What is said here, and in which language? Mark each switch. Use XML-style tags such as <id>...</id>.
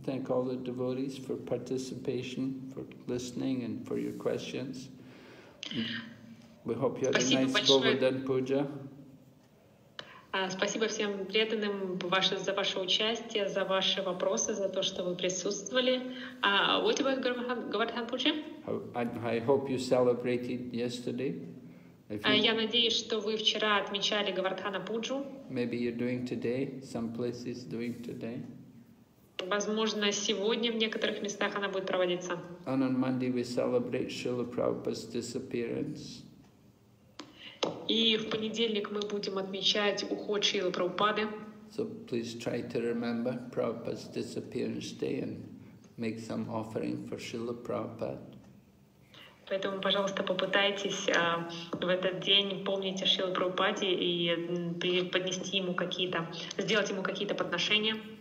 <en>Thank all the devotees for participation, for listening, and for your questions. We hope you had a nice Govardhan Puja.</en> <ru>Спасибо всем преданным за ваше участие, за ваши вопросы, за то, что вы присутствовали.</ru> <en>What about Govardhan Puja? I hope you celebrated yesterday.</en> <ru>Я надеюсь, что вы вчера отмечали Говардхана Пуджу.</ru> <en>Maybe you're doing today. Some places doing today.</en> <ru>Возможно, сегодня в некоторых местах она будет проводиться.</ru> <en>And on Monday we celebrate Srila Prabhupada's disappearance.</en> <ru>И в понедельник мы будем отмечать уход Шрилы Прабхупады.</ru> <en>So please try to remember Prabhupada's disappearance day and make some offering for Srila Prabhupada.</en> <ru>Поэтому, пожалуйста, попытайтесь в этот день помнить о Шриле Прабхупаде и поднести ему какие-то, сделать ему какие-то подношения.</ru>